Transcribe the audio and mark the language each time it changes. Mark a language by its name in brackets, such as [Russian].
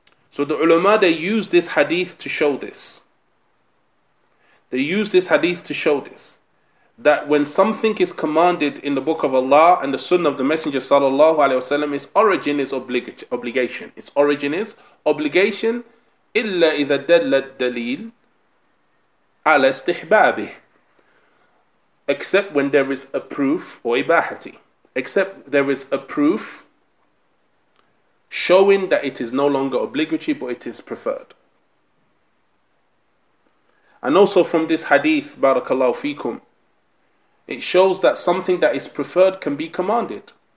[English] So the ulama, they use this hadith to show this. They use this hadith to show this. That when something is commanded in the book of Allah and the sunnah of the Messenger sallallahu alaihi wasallam, its origin is obligation. Its origin is obligation, [Arabic] إلا إذا دل الدليل على استحبابه. [English] Except when there is a proof or إباحتي. Except there is a proof showing that it is no longer obligatory but it is preferred. And also from this hadith, barakallahu fikum, it shows that something that is preferred can be commanded.